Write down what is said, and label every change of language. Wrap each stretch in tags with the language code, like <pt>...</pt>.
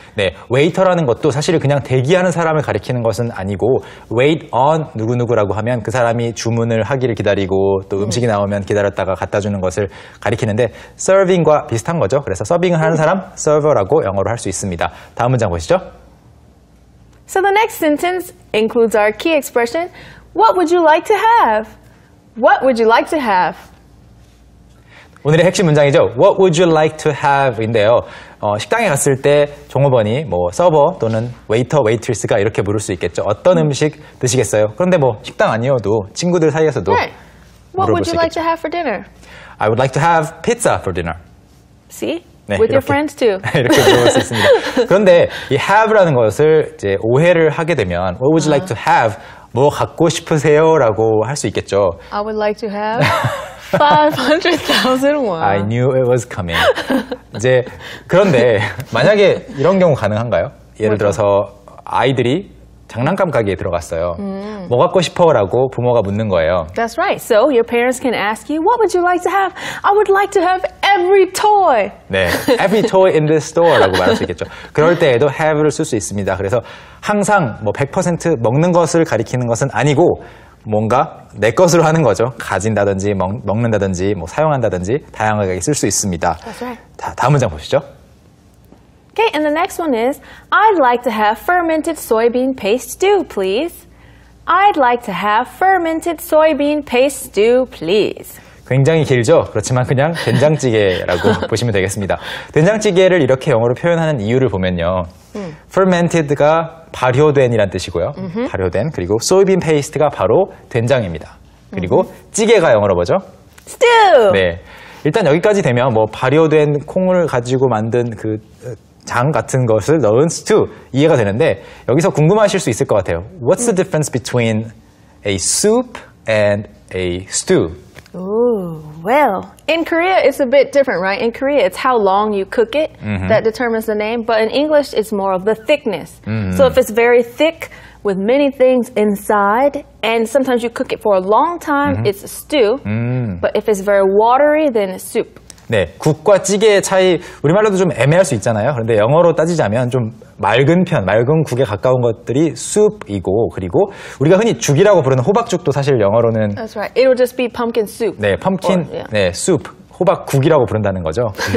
<ko>네, waiter라는 것도 사실 그냥 대기하는 사람을 가리키는 것은 아니고 wait on 누구누구라고 하면 그 사람이 주문을 하기를 기다리고 또 음식이 나오면 기다렸다가 갖다 주는 것을 가리키는데 serving과 비슷한 거죠. 그래서 서빙을 하는 사람, server라고 영어로 할 수 있습니다. 다음 문장 보시죠.</ko> <en>So the next sentence includes our key expression, what would you like to have? What would you like to have?</en> <ko>오늘의 핵심 문장이죠.</ko> <en>What would you like to have</en> <ko>인데요. 식당에 갔을 때 종업원이 뭐 서버 또는 웨이터, 웨이트리스가 이렇게 부를 수 있겠죠. 어떤 음식 드시겠어요? 그런데 뭐 식당 아니어도 친구들 사이에서도</ko> <en>right. What</en> <ko>물어볼</ko> <en>would you</en> <ko>있겠죠.</ko> <en>like to have for dinner? I would like to have pizza for dinner. See? 네, With</en> <ko>이렇게,</ko> <en>your friends too.</en> <ko>이렇게 물어볼 수 있습니다. 그런데 이 have라는 것을 이제 오해를 하게 되면</ko> <en>What would you like to have?</en> <ko>뭐 갖고 싶으세요? 라고 할 수 있겠죠.</ko> <en>I would like to have... 500,000 won. I knew it was coming.</en> <ko>이제 그런데 만약에 이런 경우 가능한가요? 예를 들어서 아이들이 장난감 가게에 들어갔어요. 뭐 갖고 싶어라고 부모가 묻는 거예요.</ko> <en>That's right. So your parents can ask you, "What would you like to have?" I would like to have every toy.</en> <ko>네,</ko> <en>every toy in this store</en> <ko>라고 말할 수 있겠죠. 그럴 때에도 have를 쓸 수 있습니다. 그래서 항상 뭐 100% 먹는 것을 가리키는 것은 아니고. 뭔가 내 것으로 하는 거죠. 가진다든지 먹는다든지 뭐 사용한다든지 다양하게 쓸 수 있습니다.</ko> <en>That's right.</en> <ko>자, 다음 문장 보시죠.</ko> <en>Okay, and the next one is I'd like to have fermented soybean paste stew, please. I'd like to have fermented soybean paste stew, please.</en> <ko>굉장히 길죠? 그렇지만 그냥 된장찌개라고 보시면 되겠습니다. 된장찌개를 이렇게 영어로 표현하는 이유를 보면요. Fermented가 발효된이란 뜻이고요. Mm-hmm. 발효된, 그리고 soybean paste가 바로 된장입니다. 그리고 mm-hmm. 찌개가 영어로 뭐죠?</ko> <en>Stew!</en> <ko>네. 일단 여기까지 되면 뭐 발효된 콩을 가지고 만든 그 장 같은 것을 넣은 stew 이해가 되는데 여기서 궁금하실 수 있을 것 같아요.</ko> <en>What's the difference between a soup and a stew? Ooh, well, in Korea, it's a bit different, right? In Korea, it's how long you cook it mm-hmm. that determines the name. But in English, it's more of the thickness. Mm-hmm. So if it's very thick with many things inside, and sometimes you cook it for a long time, mm-hmm. it's a stew. Mm-hmm. But if it's very watery, then it's soup.</en> <ko>네, 국과 찌개의 차이, 우리말로도 좀 애매할 수 있잖아요. 그런데 영어로 따지자면 좀 맑은 편, 맑은 국에 가까운 것들이 soup이고 그리고 우리가 흔히 죽이라고 부르는 호박죽도 사실 영어로는</ko> <en>That's right. It'll just be pumpkin soup.</en> <ko>네, pumpkin,</ko> <en>or, yeah.</en> <ko>네, soup, 호박국이라고 부른다는 거죠.</ko>